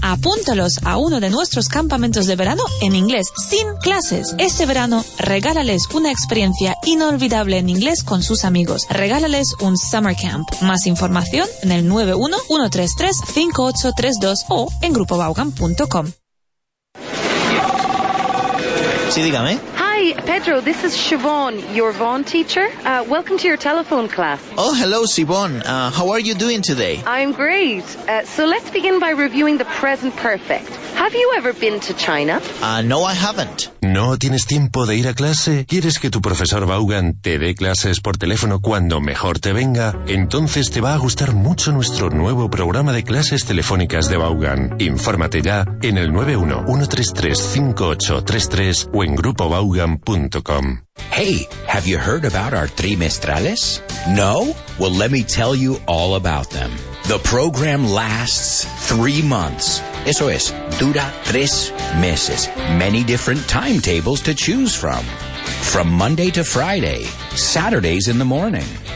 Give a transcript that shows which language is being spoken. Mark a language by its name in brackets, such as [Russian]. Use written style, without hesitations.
[Spanish] Apúntalos a uno de nuestros campamentos de verano en inglés, sin clases. Este verano, regálales una experiencia inolvidable en inglés con sus amigos. Regálales un summer camp. Más información en el 91-133-5832 o en grupobaugan.com. Sí, dígame. [English] Hi, Pedro, this is Siobhan, your Vaughan teacher. Welcome to your telephone class. Oh, hello, Siobhan. How are you doing today? I'm great. So let's begin by reviewing the present perfect. Have you ever been to China? No, I haven't. [Spanish] ¿No tienes tiempo de ir a clase? ¿Quieres que tu profesor Vaughan te dé clases por teléfono cuando mejor te venga? Entonces te va a gustar mucho nuestro nuevo programa de clases telefónicas de Vaughan. Infórmate ya en el 91-133-5833 o en Grupo Vaughan. [English] Hey, have you heard about our trimestrales? No? Well, let me tell you all about them. The program lasts 3 months. [Spanish] Eso es, dura tres meses. [English] Many different timetables to choose from. From Monday to Friday, Saturdays in the morning.